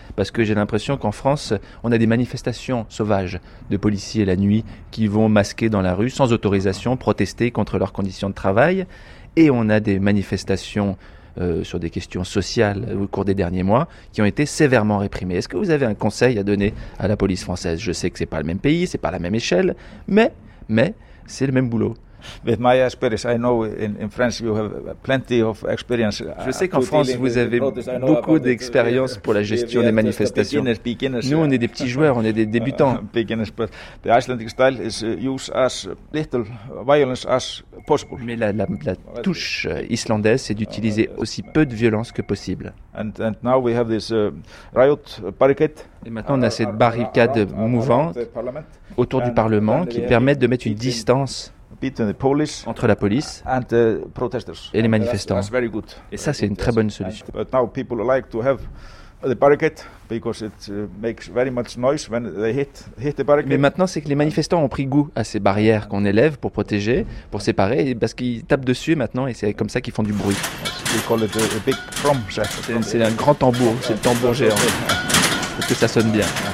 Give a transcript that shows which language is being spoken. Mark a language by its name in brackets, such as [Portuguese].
[French] Parce que j'ai l'impression qu'en France, on a des manifestations sauvages de policiers la nuit qui vont masquer dans la rue sans autorisation, protester contre leurs conditions de travail. Et on a des manifestations... sur des questions sociales au cours des derniers mois, qui ont été sévèrement réprimées. Est-ce que vous avez un conseil à donner à la police française? Je sais que ce n'est pas le même pays, ce n'est pas la même échelle, mais c'est le même boulot. [English] With my experience, I know in France you have plenty of experience. [French] Je sais qu'en France vous avez beaucoup d'expérience pour la gestion des manifestations. [English] Beginners. [French] Nous, on est des petits joueurs, on est des débutants. [English] Beginners, but the Icelandic style is use as little violence as possible. [French] Mais la touche islandaise, c'est d'utiliser aussi peu de violence que possible. [English] And now we have this riot barricade. [French] Et maintenant, on a cette barricade mouvante autour du Parlement qui permet de mettre une distance. Entre la police [English] and the protesters. [French] Et les manifestants. [English] That's very good. [French] Et ça, c'est une très bonne solution. [English] But now people like to have the barricade because it makes very much noise when they hit the barricade. [French] Mais maintenant, c'est que les manifestants ont pris goût à ces barrières qu'on élève pour protéger, pour séparer, parce qu'ils tapent dessus maintenant et c'est comme ça qu'ils font du bruit. [English] We call it a big drum. [French] C'est un grand tambour, c'est le tambour géant. Parce que ça sonne bien.